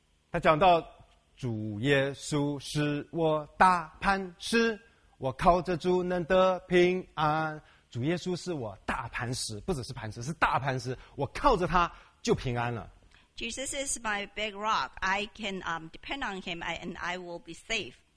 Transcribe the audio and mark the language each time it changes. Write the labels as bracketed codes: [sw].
[zh] 他讲到。主耶稣是我大磐石，我靠着主能得平安。主耶稣是我大磐石，不只是磐石，是大磐石，我靠着他就平安了。 [en] Jesus is my big rock. I can depend on him and I will be safe.